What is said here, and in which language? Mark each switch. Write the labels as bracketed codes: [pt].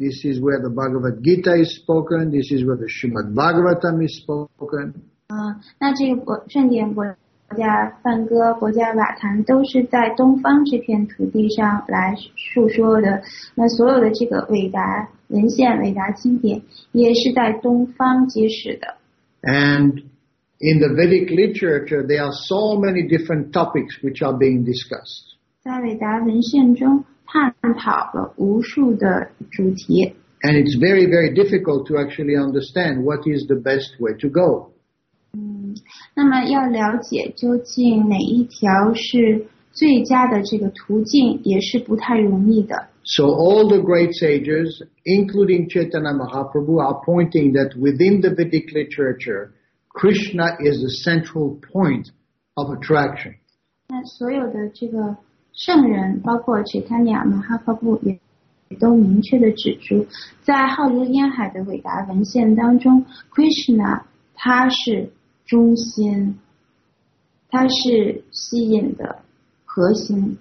[en] This is where the Bhagavad Gita is spoken. This is where the Srimad Bhagavatam is spoken. [zh] 那这个圣典国家梵歌、国家瓦坛都是在东方这片土地上来述说的。那所有的这个伟达文献、伟达经典也是在东方揭示的。 [en] And in the Vedic literature, there are so many different topics which are being discussed. [zh] 在伟达文献中探讨了无数的主题。 [en] And it's very, very difficult to actually understand what is the best way to go. [zh] 那么要了解究竟哪一条是最佳的这个途径也是不太容易的。 [en] So all the great sages, including Chaitanya Mahaprabhu, are pointing that within the Vedic literature, Krishna is the central point of attraction. [zh] 那所有的这个圣人包括 Chaitanya Mahaprabhu 也都明确地指出在浩如烟海的伟达文献当中 Krishna 他是中心他是吸引的核心